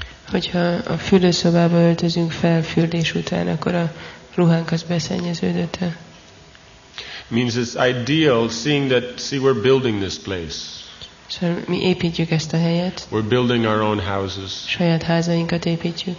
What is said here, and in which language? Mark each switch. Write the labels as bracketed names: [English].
[Hungarian] Hogyha a fürdőszobába öltözünk fel fürdés után, akkor a ruhánk az beszennyeződött-e? [English] Means it's ideal seeing that see we're building this place. [Hungarian] Szóval mi építjük ezt a helyet. [English] We're building our own houses. [Hungarian] Saját házainkat építjük.